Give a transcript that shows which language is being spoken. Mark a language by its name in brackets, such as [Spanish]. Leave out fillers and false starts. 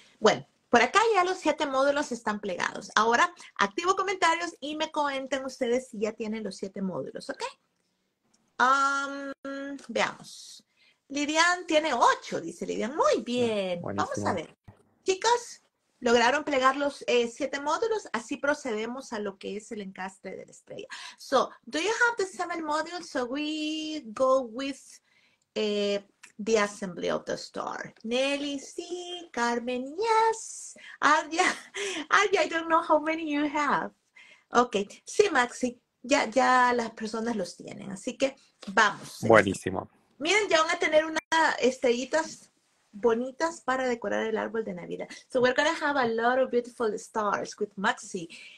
[Spanish] Bueno, por acá ya los 7 módulos están plegados. Ahora, activo comentarios y me cuenten ustedes si ya tienen los 7 módulos, ¿ok? Veamos. Lidian tiene 8, dice Lidian. Muy bien. Buenísimo. Vamos a ver. Chicos, lograron plegar los 7 módulos. Así procedemos a lo que es el encastre de la estrella. [English] So, do you have the 7 modules? So, we go with the assembly of the star. Nelly, sí. Carmen, yes. Arya, I don't know how many you have. [Spanish] Okay. Sí, Maxi. Ya las personas los tienen. Así que vamos. Buenísimo. Miren, ya van a tener unas estrellitas bonitas para decorar el árbol de Navidad. [English] So we're going to have a lot of beautiful stars with Maxi.